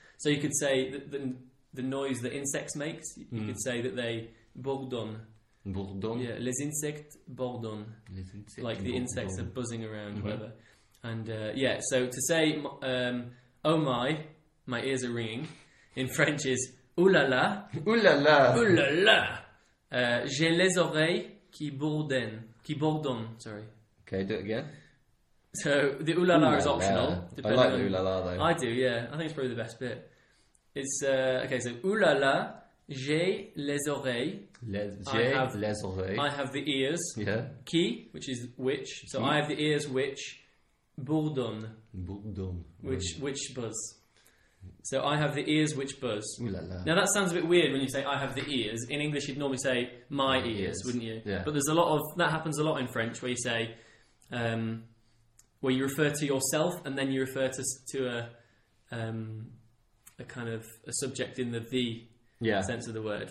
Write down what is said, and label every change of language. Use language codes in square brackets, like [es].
[en] So you could say that the noise that insects make, you could say that they bourdonne. [fr] Bourdonne? Yeah, les insectes bourdonnent. Les insectes [en] like the [fr] bourdonne. [en] Insects are buzzing around, whatever. And so to say, oh my ears are ringing, in French is oulala. Oulala. Oulala. [fr] J'ai les oreilles qui bourdonnent. Qui bourdonne, sorry. [en] Okay, do it again. So, the ooh-la-la is optional. Yeah. I like the ooh-la-la, though. I do, yeah. I think it's probably the best bit. It's, okay, so, ooh-la-la, [fr] j'ai les oreilles. Les oreilles. [en] I have the ears. Yeah. Qui, which is which. So, qui? I have the ears which bourdonne. [fr] Bourdonne. [en] Which buzz. So, I have the ears which buzz. Ooh-la-la. Now, that sounds a bit weird when you say, I have the ears. In English, you'd normally say, my ears, wouldn't you? Yeah. But there's a lot of, that happens a lot in French, where you say, where you refer to yourself and then you refer to a kind of a subject in the sense of the word.